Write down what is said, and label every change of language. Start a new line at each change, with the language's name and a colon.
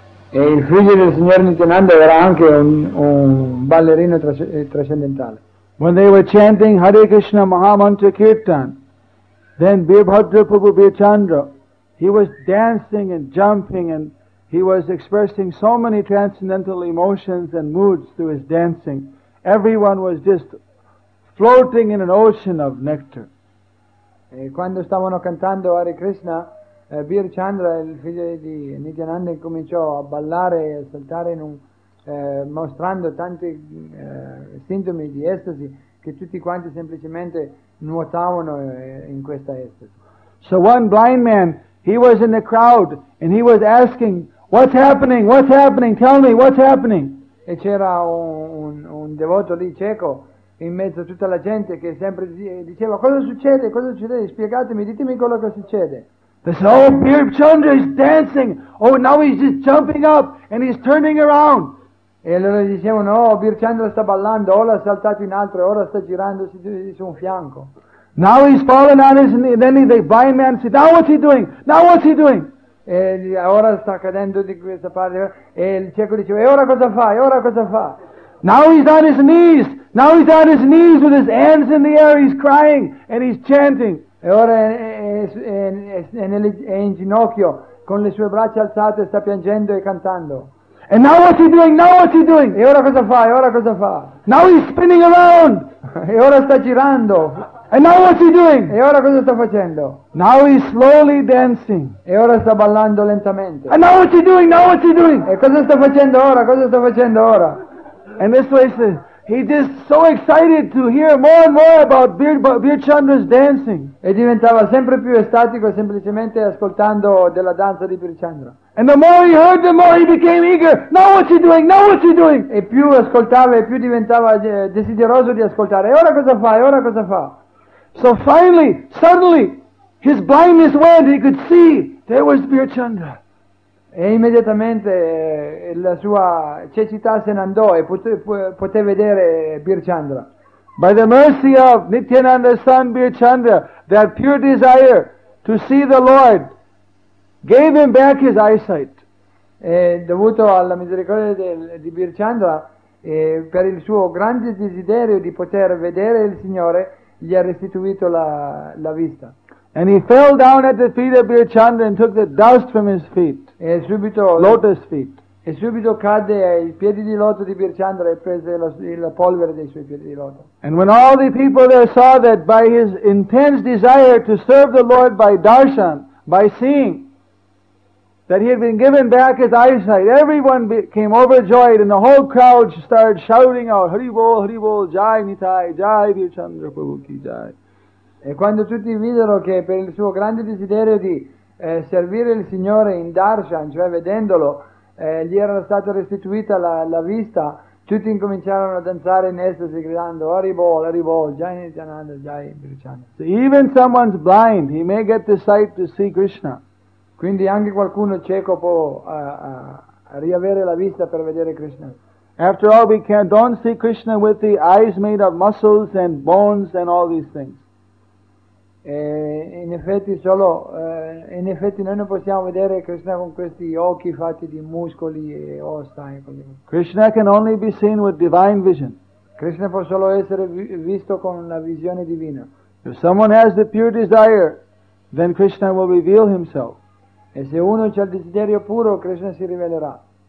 Italian: E il figlio del signor Nityananda era anche un ballerino trascendentale.
English: When they were chanting Hare Krishna Mahamantra Kirtan, then Birbhadra Prabhu Birchandra, he was dancing and jumping and he was expressing so many transcendental emotions and moods through his dancing. Everyone was just floating in an ocean of nectar.
Italian: E quando stavano cantando Hare Krishna, Birchandra, il figlio di Nityananda, cominciò a ballare e a saltare mostrando tanti sintomi di estasi che tutti quanti semplicemente nuotavano in questa estasi.
English: So one blind man, he was in the crowd and he was asking, what's happening, what's happening, tell me, what's happening?
Italian: E c'era un devoto lì cieco in mezzo a tutta la gente che sempre diceva cosa succede, cosa succede, spiegatemi, ditemi quello che succede.
English: They said, oh, Birbhadra is dancing, oh, now he's just jumping up and he's turning around.
Italian: E loro dicevano, oh, Birbhadra sta ballando, ora ha saltato in altro, ora sta girandosi su un fianco.
English: Now he's fallen on his knee, then the blind man said, now what's he doing, now what's he doing?
Italian: E ora sta cadendo di questa parte, e il cieco diceva, e ora cosa fa, e ora cosa fa?
English: Now he's on his knees. Now he's on his knees with his hands in the air. He's crying and he's chanting.
Italian: E ora è in ginocchio con le sue braccia alzate, sta piangendo e cantando.
English: And now what's he doing? Now what's he doing?
Italian: E ora cosa fa? E ora cosa fa?
English: Now he's spinning around.
Italian: E ora sta girando.
English: And now what's he doing?
Italian: E ora cosa sta facendo?
English: Now he's slowly dancing.
Italian: E ora sta ballando lentamente.
English: And now what's he doing? Now what's he doing?
Italian: E cosa sta facendo ora? Cosa sta facendo ora?
English: And this way says, he just so excited to hear more and more about Birchandra's dancing.
Italian: E diventava sempre più estatico semplicemente ascoltando della danza di Birchandra.
English: And the more he heard, the more he became eager. Now what's he doing? Now what's he doing?
Italian: E più ascoltava e più diventava desideroso di ascoltare. E ora cosa fa? E ora cosa fa?
English: So finally, suddenly, his blindness went. He could see there was Birchandra.
Italian: E immediatamente la sua cecità se ne andò e poté vedere Birchandra.
English: By the mercy of Nityananda's son Birchandra, that pure desire to see the Lord gave him back his eyesight.
Italian: E dovuto alla misericordia di Birchandra, per il suo grande desiderio di poter vedere il Signore, gli ha restituito la vista.
English: And he fell down at the feet of Birchandra and took the dust from his feet.
Italian: E subito
English: lotus feet.
Italian: E subito cadde ai piedi di loto di Birchandra e prese la polvere dei suoi piedi di loto.
English: And when all the people there saw that by his intense desire to serve the Lord by darshan, by seeing, that he had been given back his eyesight, everyone became overjoyed and the whole crowd started shouting out, Hari Bol, Hari Bol, Jai Nitai, Jai Birchandra Prabhu Ki Jai.
Italian: E quando tutti videro che per il suo grande desiderio di servire il Signore in darshan, cioè vedendolo, gli era stata restituita la vista, tutti incominciarono a danzare in estasi gridando Hari Bol, Hari Bol, Jai Nityananda, Jai Birchandra.
English: So even someone's blind, he may get the sight to see Krishna.
Italian: Quindi anche qualcuno cieco può riavere la vista per vedere Krishna.
English: After all, we can't don't see Krishna with the eyes made of muscles and bones and all these things.
Italian: In effetti noi non possiamo vedere Krishna con questi occhi fatti di muscoli e ossa.
English: Krishna can only be seen with divine vision.
Italian: Krishna può solo essere visto con la visione divina.
English: If someone has the pure desire, then Krishna will reveal himself.
Italian: E se uno c'ha il desiderio puro, Krishna si rivelerà.